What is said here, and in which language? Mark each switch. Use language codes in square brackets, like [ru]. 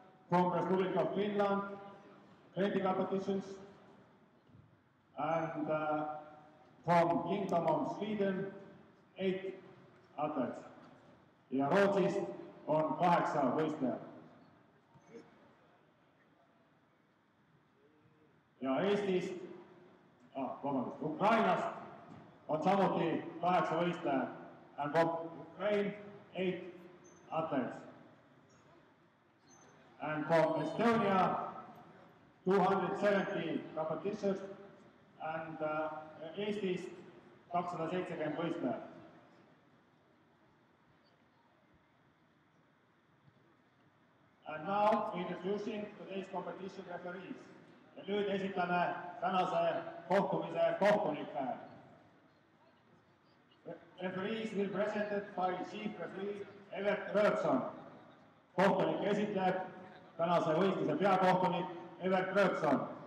[en] From Republic of Finland, 20 competitions. And from Kingdom of Sweden, 8 athletes. [et] Ja Rootsist on 8 võistlejad. Ja Eestist, Ukrainast on samuti 8 võistlejad. [en] And from Ukraine, 8 athletes. And from Estonia, 270 competitions. [et] And Eestist 270 võistlejad. [en] And now introducing today's competition referees. [et] Ja nüüd esitame tänase kohtumise kohtunike. [en] Referees will presented by chief referee Evert Röökson. [et] Kohtunik esitleb tänase võistluse peakohtunik Evert Röökson.